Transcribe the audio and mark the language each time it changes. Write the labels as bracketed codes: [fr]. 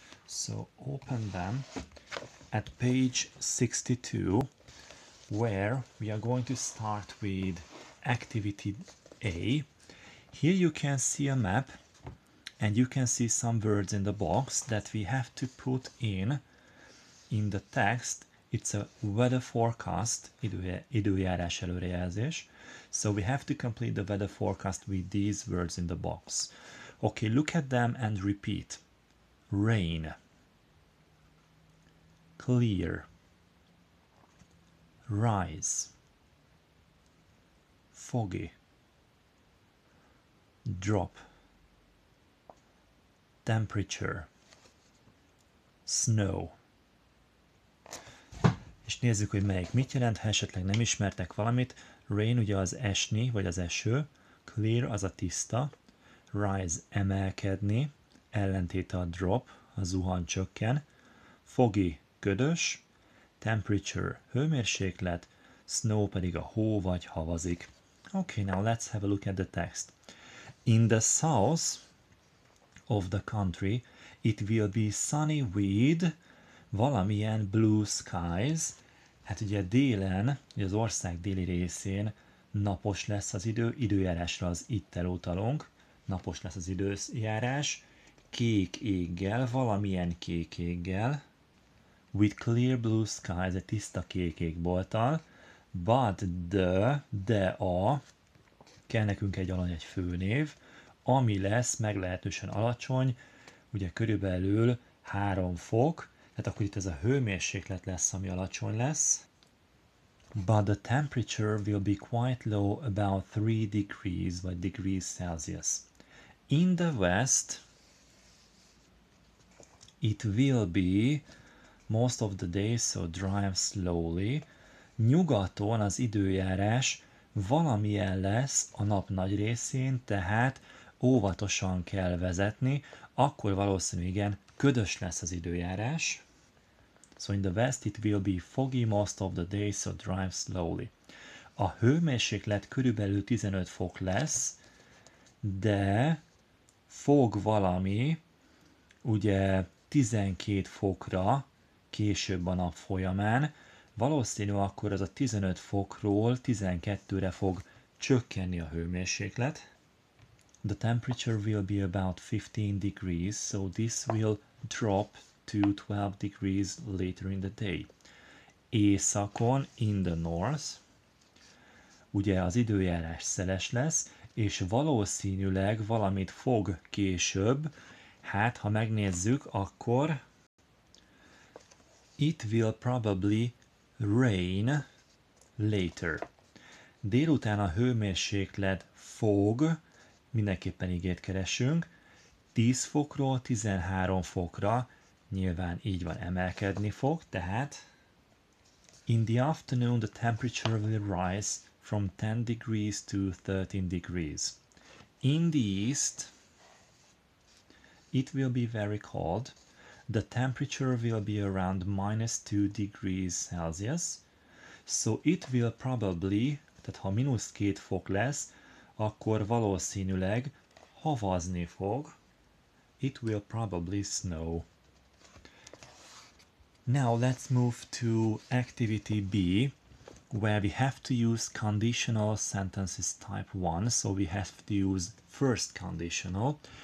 [en] So open them at page 62, where we are going to start with activity A. Here you can see a map and you can see some words in the box that we have to put in the text. It's a weather forecast, [hu] időjárás előrejelzés. [en] So we have to complete the weather forecast with these words in the box. Okay, look at them and repeat. Rain. Clear. Rise. Foggy. Drop. Temperature. Snow. [hu] És nézzük, hogy melyik mit jelent, ha esetleg nem ismertek valamit. Rain ugye az esni, vagy az eső. Clear az a tiszta. Rise emelkedni. Ellentéte a drop, a zuhan csökken. Foggy ködös. Temperature hőmérséklet. Snow pedig a hó vagy havazik. [en] Okay, now let's have a look at the text. In the south of the country, it will be sunny with valamilyen blue skies. [hu] Hát ugye délen, ugye az ország déli részén napos lesz az idő, időjárásra az ittel utalunk, napos lesz az időjárás, kék éggel, valamilyen kék éggel, [en] with clear blue skies, [hu] a tiszta kék égbolttal, but de a, kell nekünk egy alany, egy főnév, ami lesz meglehetősen alacsony, ugye körülbelül 3 fok, tehát akkor itt ez a hőmérséklet lesz, ami alacsony lesz. [en] But the temperature will be quite low, about 3 degrees, vagy degrees Celsius. In the west, it will be most of the day, so drive slowly. [hu] Nyugaton az időjárás valamilyen lesz a nap nagy részén, tehát óvatosan kell vezetni, akkor valószínű igen, ködös lesz az időjárás. [en] So in the west it will be foggy most of the day, so drive slowly. [hu] A hőmérséklet körülbelül 15 fok lesz, de fog valami, ugye 12 fokra később a nap folyamán, valószínű akkor az a 15 fokról 12-re fog csökkenni a hőmérséklet. [en] The temperature will be about 15 degrees, so this will drop to 12 degrees later in the day. [hu] Északon, [en] in the north, [hu] ugye az időjárás szeles lesz, és valószínűleg valamit fog később, hát ha megnézzük, akkor [en] it will probably rain later. [hu] Délután a hőmérséklet fog, mindenképpen igét keresünk, 10 fokról 13 fokra, nyilván így van, emelkedni fog, tehát [en] in the afternoon the temperature will rise from 10 degrees to 13 degrees. In the east it will be very cold. The temperature will be around minus 2 degrees Celsius. So it will probably, [hu] tehát ha minusz 2 fok lesz, akkor valószínűleg havazni fog. [en] It will probably snow. Now let's move to activity B, where we have to use conditional sentences type 1, so we have to use first conditional.